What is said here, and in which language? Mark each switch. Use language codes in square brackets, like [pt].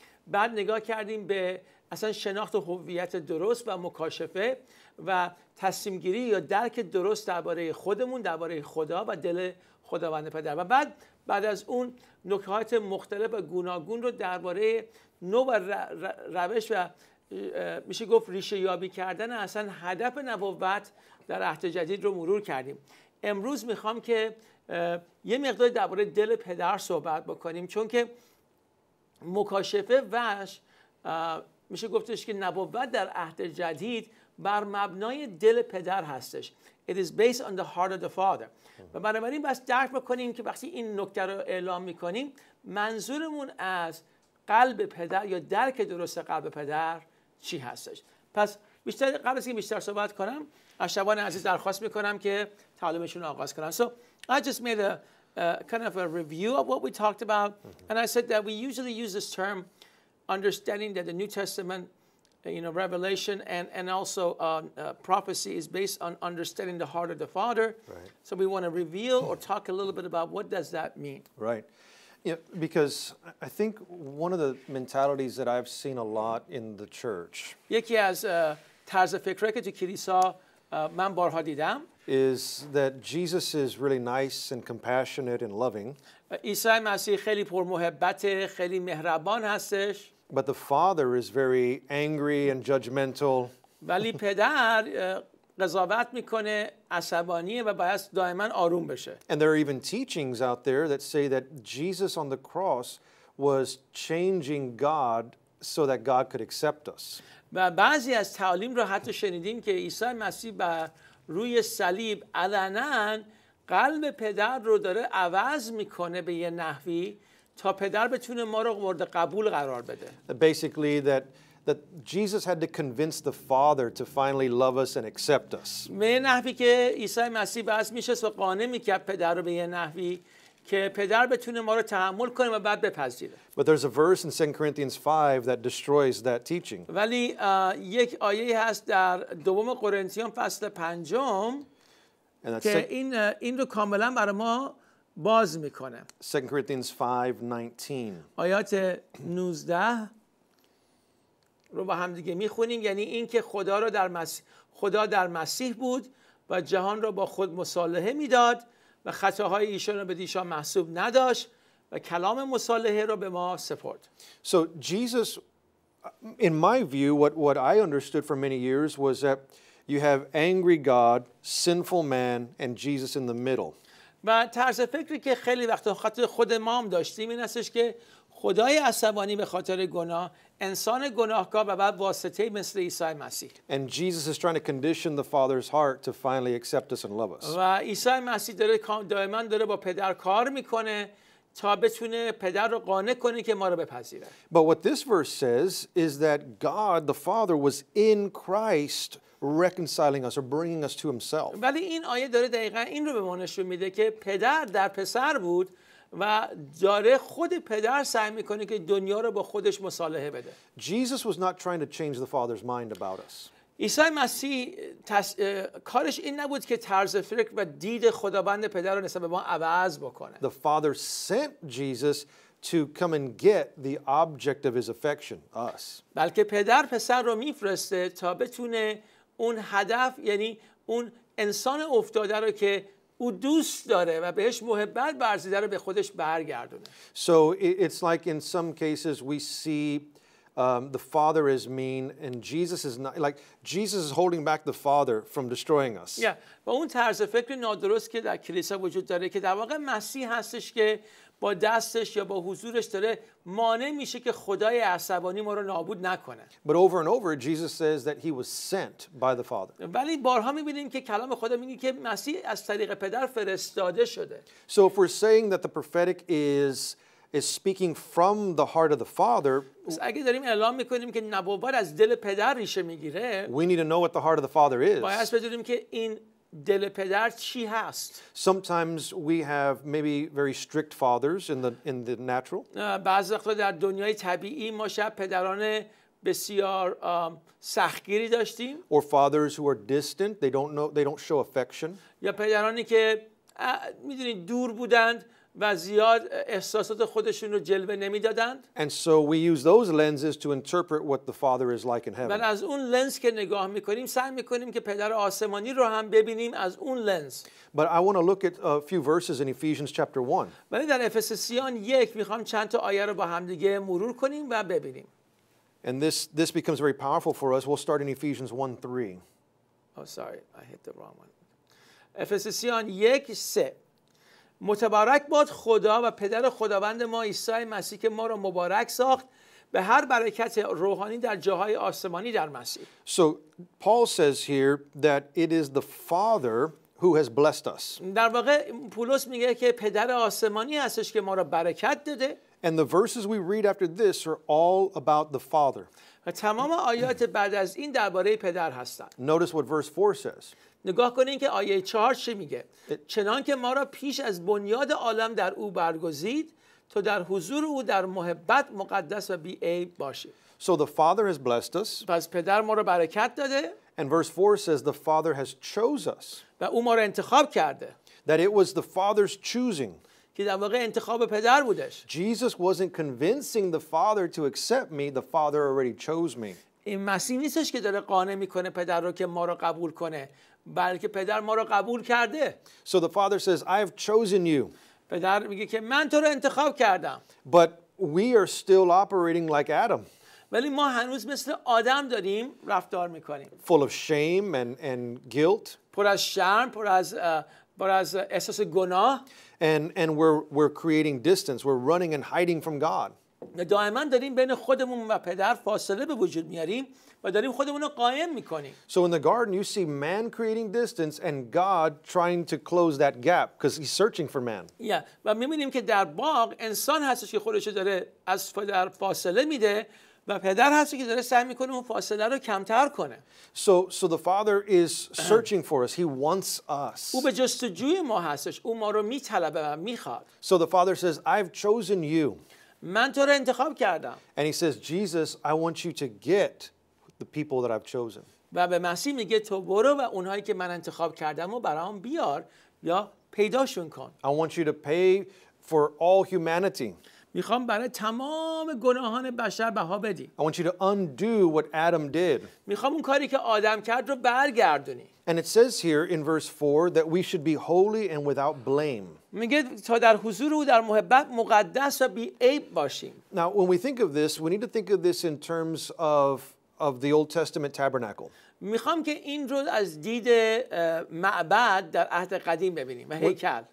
[fa] بعد نگاه کردیم به اصلا شناخت هویت درست و مکاشفه و تصمیم گیری یا درک درست درباره خودمون، درباره خدا و دل خداوند پدر، و بعد از اون نکات مختلف و گوناگون رو درباره نوع روش و میشه گفت ریشه یابی کردن اصلا هدف نبوت در عهد جدید رو مرور کردیم. امروز میخوام که یه مقدار درباره دل پدر صحبت بکنیم، چون که مکاشفه وش میشه گفتش که نبوت در عهد جدید بر مبنای دل پدر هستش. [en] It is based on the heart of the father. [fa] و بنابراین بس درک بکنیم که وقتی این نکته رو اعلام میکنیم، منظورمون از قلب پدر یا درک درست قلب پدر چی هستش. پس بیشتر قبل از اینکه بیشتر صحبت کنم، از شبان عزیز درخواست میکنم که تعلیمشون آغاز کنم. [en] So I just made a kind of a review of what we talked about. And I said that we usually use this term understanding that the New Testament, you know, revelation and also prophecy is based on understanding the heart of the Father. Right. So we want to reveal or talk a little bit about what does that mean. Right. Yeah, because I think one of the mentalities that I've seen a lot in the church is that Jesus is really nice and compassionate and loving. [fa] عیسی مسیح خیلی پرمحبته، خیلی مهربان هستش. [en] But the father is very angry and judgmental. [fa] ولی پدر قضاوت میکنه، عصبانیه و باید دائما آروم بشه. [en] And there are even teachings out there that say that Jesus on the cross was changing God so that God could accept us. [fa] و بعضی از تعالیم رو حتی شنیدیم که عیسی مسیح بر روی صلیب علناً قلب پدر رو داره عوض میکنه به یه نحوی تا پدر بتونه ما رو مورد قبول قرار بده. [en] Basically that Jesus had to convince the Father to finally love us and accept us. [fa] به نحوی که عیسی مسیح باز میشه و قانع میکرد پدر رو به یه نحوی که پدر بتونه ما رو تحمل کنه و بعد بپذیره. [en] But there's a verse in 2 Corinthians 5 that destroys that teaching. [fa] ولی یک آیه هست در دوم قرنتیان فصل پنجم که این رو کاملا برای ما باز میکنه. [en] 2 Corinthians 5:19. [fa] آیات 19 رو با هم دیگه میخونیم. یعنی اینکه خدا در مسیح بود و جهان رو با خود مصالحه میداد و خطاهای ایشان رو به دیشان محسوب نداشت و کلام مصالحه رو به ما سپرد. [en] So Jesus, in my view, what I understood for many years was that you have angry God, sinful man, and Jesus in the middle. [fa] و طرز فکری که خیلی وقتا خاطر خود ما هم داشتیم این استش که خدای عصبانی به خاطر گناه، انسان گناهکار و بعد واسطه مثل عیسی مسیح. [en] And Jesus is trying to condition the Father's heart to finally accept us and love us. [fa] و عیسی مسیح داره دائما داره با پدر کار میکنه تا بتونه پدر رو قانع کنه که ما رو بپذیره. [en] But what this verse says is that God the Father was in Christ reconciling us or bringing us to himself. [fa] ولی این آیه داره دقیقاً این رو به ما نشون میده که پدر در پسر بود و داره خود پدر سعی میکنه که دنیا رو با خودش مصالحه بده. [en] Jesus was not trying to change the father's mind about us. [fa] عیسی مسیح کارش این نبود که طرز فکر و دید خداوند پدر رو نسبت به ما عوض بکنه. [en] The father sent Jesus to come and get the object of his affection, us. [fa] بلکه پدر پسر رو میفرسته تا بتونه اون هدف، یعنی اون انسان افتاده رو که او دوست داره و بهش محبت ورزیده رو به خودش برگردونه. [en] So it's like in some cases we see the Father is mean and Jesus is not, like Jesus is holding back the Father from destroying us. Yeah. [fa] و اون طرز فکر نادرست که در کلیسا وجود داره که در واقع مسیح هستش که با دستش یا با حضورش داره مانع میشه که خدای عصبانی ما رو نابود نکنه. [en] But over and over Jesus says that he was sent by the Father. [fa] ولی بارها میبینیم که کلام خدا میگه که مسیح از طریق پدر فرستاده شده. [en] So if we're saying that the prophetic is speaking from the heart of the Father. [fa] اگه داریم اعلام میکنیم که نبوت از دل پدر ریشه میگیره. [en] We need to know what the heart of the Father is. [fa] باید بدونیم که این دل پدر چی هست. [en] Sometimes we have maybe very strict fathers in the natural. [fa] بعضی وقتا در دنیای طبیعی ما شاید پدران بسیار سختگیری داشتیم. [en] Or fathers who are distant, they don't show affection. [fa] یا پدرانی که میدونید دور بودند. و زیاد احساسات خودشون رو جلوه نمیدادند. [en] And so we use those lenses to interpret what the Father is like in heaven. [fa] و از اون لنز که نگاه میکنیم سعی میکنیم که پدر آسمانی رو هم ببینیم از اون لنز. [en] But I want to look at a few verses in Ephesians chapter 1. [fa] ولی در افسسیان 1 میخوام چند تا آیه رو با هم دیگه مرور کنیم و ببینیم. [en] And this becomes very powerful for us. We'll start in Ephesians 1:3. Oh sorry, I hit the wrong one. افسسیان 1:3. [fa] متبارک باد خدا و پدر خداوند ما عیسی مسیح که ما را مبارک ساخت به هر برکت روحانی در جاهای آسمانی در مسیح. [en] So Paul says here that it is the Father who has blessed us. [fa] در واقع پولس میگه که پدر آسمانی هستش که ما را برکت داده. [en] And the verses we read after this are all about the Father. [fa] و تمام آیات بعد از این درباره پدر هستند. [en] Notice what verse 4 says. [fa] نگاه کنین که آیه 4 چه میگه. چنان که ما را پیش از بنیاد عالم در او برگزید تا در حضور او در محبت مقدس و بی عیب باشی. [en] So the Father has blessed us. [fa] پس پدر ما را برکت داده. [en] And verse 4 says the Father has chose us. [fa] و او ما را انتخاب کرده. [en] That it was the Father's choosing. [fa] که در واقع انتخاب پدر بودش. [en] Jesus wasn't convincing the Father to accept me. The Father already chose me. [fa] این مسیح نیستش که داره قانع میکنه پدر رو که ما را قبول کنه. بلکه پدر ما رو قبول کرده. [en] So the Father says, I have chosen you. [fa] پدر میگه که من تو رو انتخاب کردم. [en] But we are still operating like Adam. [fa] ولی ما هنوز مثل آدم داریم رفتار میکنیم. [en] Full of shame and guilt. [fa] پر از شرم، پر از احساس گناه. [en] And we're creating distance. We're running and hiding from God. [fa] دائما داریم بین خودمون و پدر فاصله به وجود میاریم و داریم خودمون رو قائم میکنیم. [en] So in the garden you see man creating distance and God trying to close that gap because he's searching for man. Yeah. [fa] و میبینیم که در باغ انسان هستش که خودش داره از پدر فاصله میده و پدر هستش که داره سعی میکنه اون فاصله رو کمتر کنه. [en] So the Father is searching for us. He wants us. [fa] او به جستجوی ما هستش. او ما رو میطلبه و میخواد. [en] So the Father says, I've chosen you. [fa] من تو رو انتخاب کردم. [en] And he says, Jesus, I want you to get the people that I've chosen. [fa] و به مسیح میگه تو برو و اونهایی که من انتخاب کردم رو برام بیار یا پیداشون کن. [en] I want you to pay for all humanity. [fa] میخوام برای تمام گناهان بشر بها بدی. [en] I want you to undo what Adam did. [fa] میخوام اون کاری که آدم کرد رو برگردونی. [en] And it says here in verse 4 that we should be holy and without blame. [fa] میگه تا در حضور او در محبت مقدس و بی عیب باشیم. [en] Now when we think of this, we need to think of this in terms of the Old Testament tabernacle. [fa] میخوام که این رو از دید معبد در عهد قدیم ببینیم و هیکل.